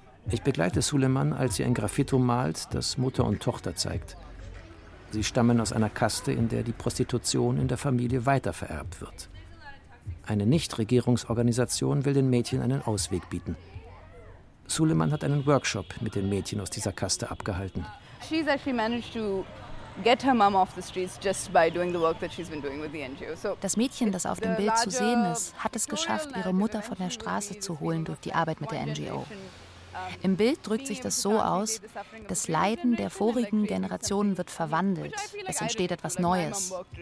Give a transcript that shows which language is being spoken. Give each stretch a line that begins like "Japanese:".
German: Ich begleite Suleman, als sie ein Graffito malt, das Mutter und Tochter zeigt. Sie stammen aus einer Kaste, in der die Prostitution in der Familie weitervererbt wird. Eine Nichtregierungsorganisation will den Mädchen einen Ausweg bieten. Suleman hat einen Workshop mit den Mädchen aus dieser Kaste abgehalten. Sie hat tatsächlich
English: managed to get her mom off the streets just by doing the work that she's been doing with the NGO. So
German: das Mädchen, das auf dem Bild zu sehen ist, hat es geschafft, ihre Mutter von der Straße zu holen durch die Arbeit mit der NGO. Im Bild drückt sich das so aus, das Leiden der vorigen Generationen wird verwandelt. Es entsteht etwas Neues.